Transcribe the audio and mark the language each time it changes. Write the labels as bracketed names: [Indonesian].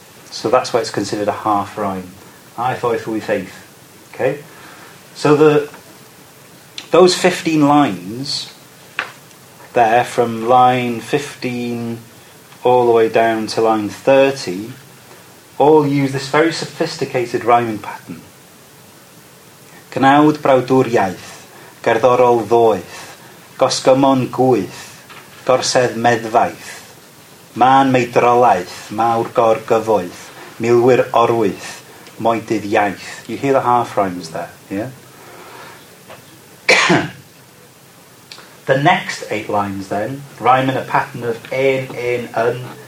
[English] So that's why it's considered a half rhyme. Aeth, oeth, wyth, aeth. Okay? So those 15 lines there, from line 15 all the way down to line 30, all use this very sophisticated rhyming pattern. [Welsh] Gnawd brawdwr iaith, gerddorol ddoeth, gosgymon gwyth, gorsedd meddfaith, man meidrolaeth, mawr gor gyfoeth, milwyr orwyth, moedydd iaith. [English] You hear the half rhymes there, yeah? The next 8 lines then rhyme in a pattern of ein, un.